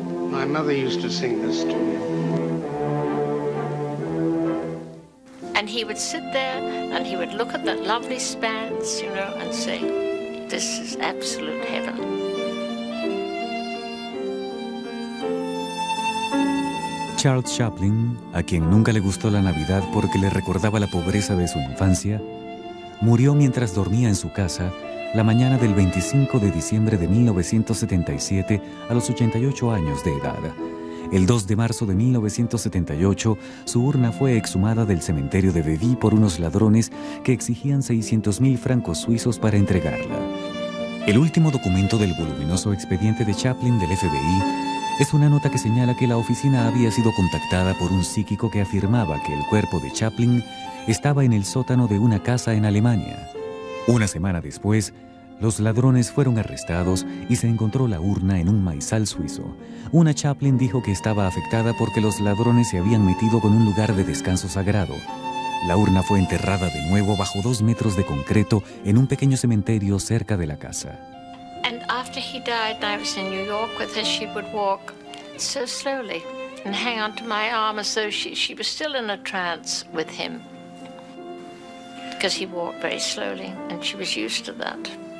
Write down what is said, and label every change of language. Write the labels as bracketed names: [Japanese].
[English] My mother used to sing this to me. And he would sit there and he would look at that lovely spans, you know, and say, this is absolute heaven. [Spanish] Charles Chaplin, a quien nunca le gustó la Navidad porque le recordaba la pobreza de su infancia, murió mientras dormía en su casa la mañana del 25 de diciembre de 1977 a los 88 años de edad. El 2 de marzo de 1978, su urna fue exhumada del cementerio de Vevey por unos ladrones que exigían 600.000 francos suizos para entregarla. El último documento del voluminoso expediente de Chaplin del FBI es una nota que señala que la oficina había sido contactada por un psíquico que afirmaba que el cuerpo de Chaplin estaba en el sótano de una casa en Alemania. Una semana después, los ladrones fueron arrestados y se encontró la urna en un maizal suizo. Una Chaplin dijo que estaba afectada porque los ladrones se habían metido con un lugar de descanso sagrado. La urna fue enterrada de nuevo bajo 2 metros de concreto en un pequeño cementerio cerca de la casa. [English] And after he died, and I was in New York with her, she would walk so slowly and hang on to my arm as though she was still in a trance with him. Because he walked very slowly and she was used to that.